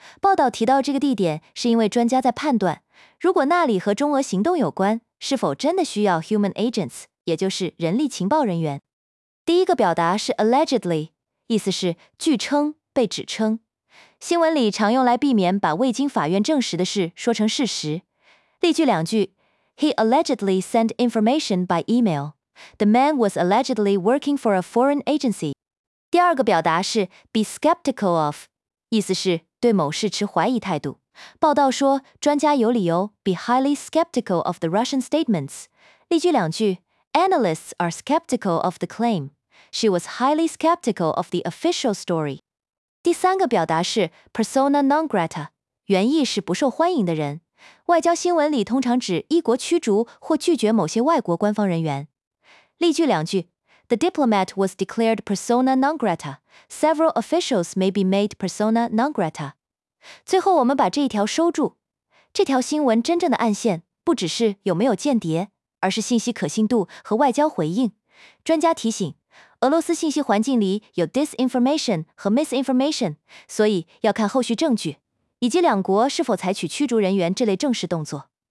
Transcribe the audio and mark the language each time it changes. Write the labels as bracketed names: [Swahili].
[Chinese] 报道提到这个地点是因为专家在判断，如果那里和中俄行动有关，是否真的需要 [English] human agents， [Chinese] 也就是人力情报人员。第一个表达是 allegedly， 意思是据称、被指称。新闻里常用来避免把未经法院证实的事说成事实。例句两句： [English] He allegedly sent information by email. The man was allegedly working for a foreign agency. [Chinese] 第二个表达是 [English] be skeptical of， [Chinese] 意思是对某事持怀疑态度。报道说，专家有理由 [English] be highly skeptical of the Russian statements. [Chinese] 例句两句： [English] Analysts are skeptical of the claim. She was highly skeptical of the official story. [Chinese] 第三个表达是 persona non grata， 原意是不受欢迎的人。外交新闻里通常指一国驱逐或拒绝某些外国官方人员。例句两句： [English] The diplomat was declared persona non grata. Several officials may be made persona non grata. [Chinese] 最后我们把这一条收住。这条新闻真正的暗线不只是有没有间谍，而是信息可信度和外交回应。专家提醒，俄罗斯信息环境里有 disinformation 和 misinformation， 所以要看后续证据，以及两国是否采取驱逐人员这类正式动作。